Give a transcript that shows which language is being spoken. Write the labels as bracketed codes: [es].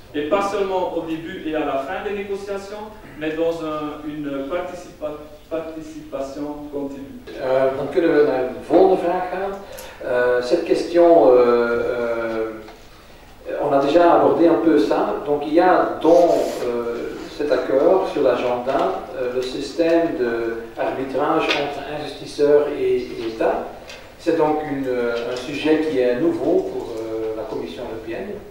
[fr] Et pas seulement au début et à la fin des négociations, mais dans une participation continue. [nl] Dan kunnen we naar de volgende vraag gaan. [fr] Cette question, on a déjà abordé un peu ça. Donc il y a dans cet accord sur l'agenda le système d'arbitrage entre investisseurs et État. C'est donc un sujet qui est nouveau pour la Commission européenne.